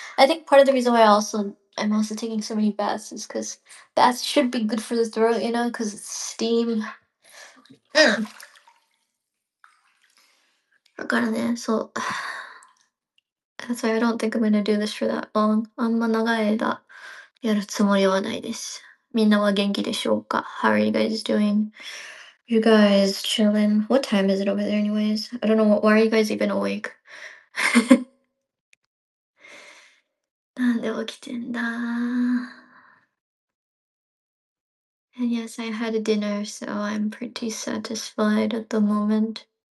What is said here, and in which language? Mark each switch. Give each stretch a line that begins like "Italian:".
English: I think part of the reason why I'm also taking so many baths is because baths should be good for the throat, you know, because it's steam.
Japanese: だからね、そう。
English: That's why I don't think I'm gonna do this for that long.
Japanese: あんま長い間やるつもりはないです。みんなは元気でしょうか?
English: How are you guys doing? You guys chilling? What time is it over there anyways? I don't know, why are you guys even awake?
Japanese: なんで起きてんだ?
English: And yes, I had a dinner, so I'm pretty satisfied at the moment.